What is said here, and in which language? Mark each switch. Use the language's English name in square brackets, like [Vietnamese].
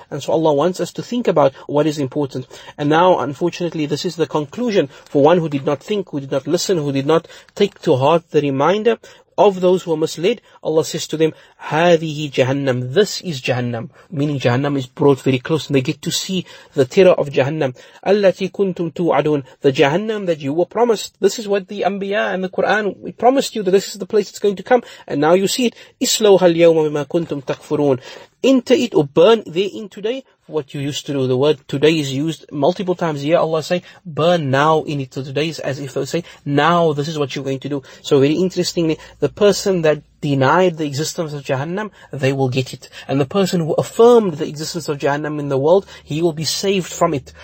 [English] And so Allah wants us to think about what is important. And now, unfortunately, this is the conclusion for one who did not think, who did not listen, who did not take to heart the reminder of those who are misled. Allah says to them, هذه جهنم. This is جهنم. Meaning جهنم is brought very close, and they get to see the terror of جهنم. [Arabic] التي كنتم توعدون. [English] The جهنم that you were promised. This is what the Anbiya and the Quran, we promised you that this is the place it's going to come. And now you see it. [Arabic] اسلوها اليوم بما كنتم تكفرون. [English] Enter it or burn therein today what you used to do. The word today is used multiple times here. Allah say, burn now in it today, as if they say, now this is what you're going to do. So very interestingly, the person that denied the existence of Jahannam, they will get it. And the person who affirmed the existence of Jahannam in the world, he will be saved from it.